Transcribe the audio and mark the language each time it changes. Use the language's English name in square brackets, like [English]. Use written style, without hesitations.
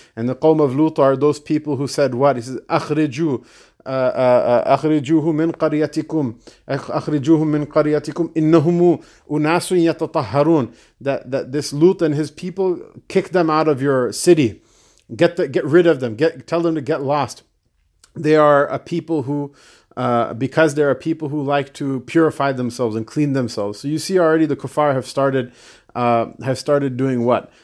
[English] And the Qawm of Lut are those people who said what? He says, [Arabic] أخرجوه من قريتكم إنهم أناس يتطهرون. [English] That this Lut and his people, kick them out of your city, get rid of them, tell them to get lost. They are a people who, because they are people who like to purify themselves and clean themselves. So you see already the kuffar have started doing what?